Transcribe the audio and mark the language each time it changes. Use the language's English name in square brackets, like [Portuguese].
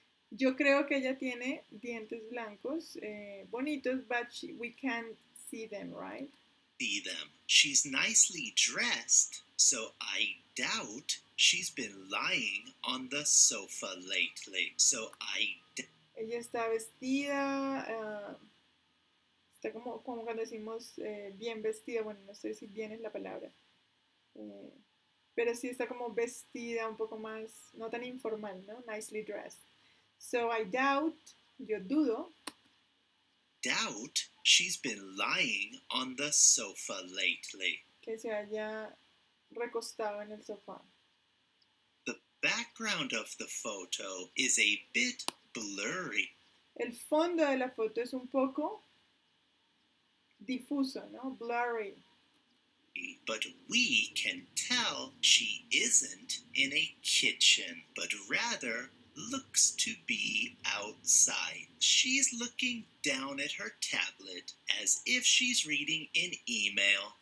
[Spanish] Yo creo que ella tiene dientes blancos, bonitos, [English] but we can't see them, right? See them. She's nicely dressed, so I doubt she's been lying on the sofa lately. So I [Spanish] Ella está vestida, está como cuando decimos bien vestida, bueno, no sé si bien es la palabra. Pero sí está como vestida un poco más, no tan informal, ¿no? [English] Nicely dressed. So I doubt, [Spanish] yo dudo. [English] Doubt she's been lying on the sofa lately. [Spanish] Que se haya recostado en el sofá. [English] The background of the photo is a bit blurry. [Spanish] El fondo de la foto es un poco difuso, ¿no? [English] Blurry. But we can tell she isn't in a kitchen, but rather looks to be outside. She's looking down at her tablet as if she's reading an email.